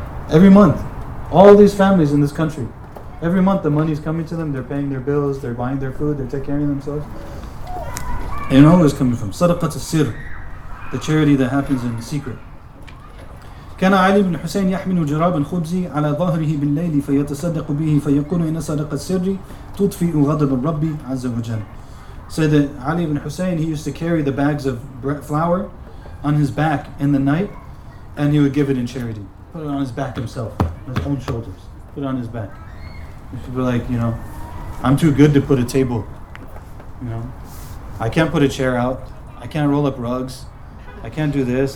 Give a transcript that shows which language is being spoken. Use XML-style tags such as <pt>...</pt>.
<en>Every month, all these families in this country, every month the money's coming to them, they're paying their bills, they're buying their food, they're taking care of themselves. And you know where it's coming from? Sadaqat al-Sir, the charity that happens in secret.</en> <ar>كان علي بن حسين يحمل جراب الخبز على ظهره بالليل فيتصدق به فيقول إن صدق السر تطفئ غضب الرب عز وجل.</ar> <en>So that Ali ibn Hussein, he used to carry the bags of flour on his back in the night, and he would give it in charity. Put it on his back himself, on his own shoulders. Put it on his back. And people are like, you know, I'm too good to put a table. You know, I can't put a chair out. I can't roll up rugs. I can't do this.</en>